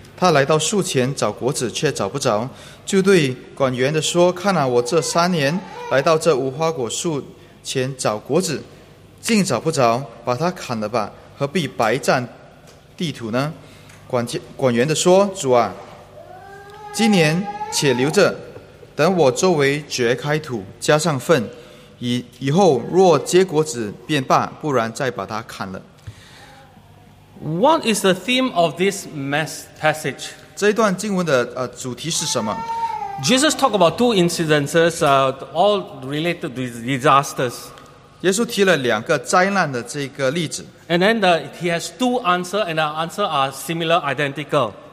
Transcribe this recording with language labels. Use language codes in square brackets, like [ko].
[zh] 他来到树前找果子，却找不着，就对管园的说：“看啊，我这三年来到这无花果树前找果子，竟找不着，把它砍了吧，何必白占地土呢？” 管园的说：“主啊，今年且留着。” 等我周围掘开土，加上粪，以后若结果子便罢，不然再把它砍了。 [en] What is the theme of this mass passage? [zh] 这一段经文的主题是什么？ [en] Jesus talked about two incidences, all related to disasters. [zh] 耶稣提了两个灾难的这个例子。 [en] And then he has two answers, and the answers are similar, identical.